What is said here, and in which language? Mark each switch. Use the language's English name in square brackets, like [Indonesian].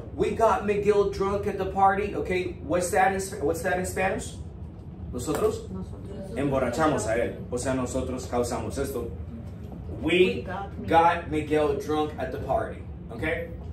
[English] We got Miguel drunk at the party, okay, what's that in Spanish? [Spanish] Nosotros emborrachamos a él, o sea, nosotros causamos esto. [English] We got Miguel drunk at the party, okay?